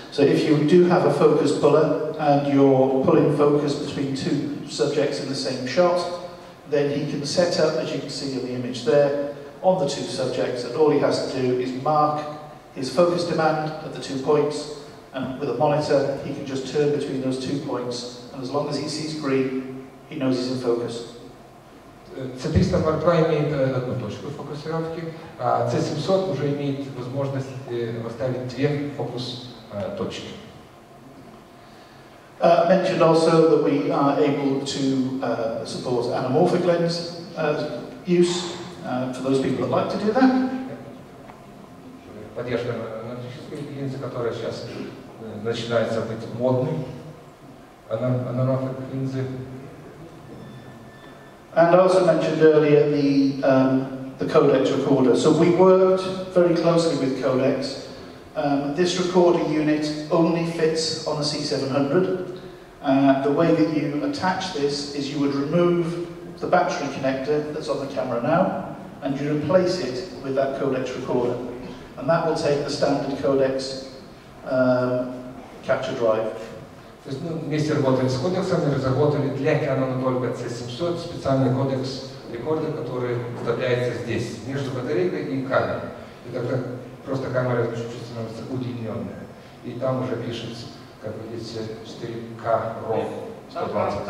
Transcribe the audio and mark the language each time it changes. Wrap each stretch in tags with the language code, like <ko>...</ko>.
<en>So if you do have a focus puller and you're pulling focus between two subjects in the same shot, then he can set up, as you can see in the image there, on the two subjects, and all he has to do is mark his focus demand at the two points, and with a monitor, he can just turn between those two points, and as long as he sees green, he knows he's in focus.</en> <ru>C300 Mark II имеет одну точку фокусировки, а C700 уже имеет возможность поставить две фокус-точки.</ru> <en>Mentioned also that we are able to support anamorphic lens use for those people that like to do that.</en> <ru>Поддержка анаморфических линз, которая сейчас начинается быть модной, анаморфические линзы.</ru> <en>And I also mentioned earlier the codex recorder. So we worked very closely with codex. This recorder unit only fits on the C700. The way that you attach this is you would remove the battery connector that's on the camera now, and you replace it with that codex recorder. And that will take the standard codex capture drive.</en> <ru>То есть, ну, вместе работали с кодексом, разработали для Canon только C700 специальный кодекс рекорда, который вставляется здесь, между батарейкой и камерой. И тогда просто камера чуть-чуть становится удлиненная. И там уже пишется, как видите, 4K RAW 120.</ru>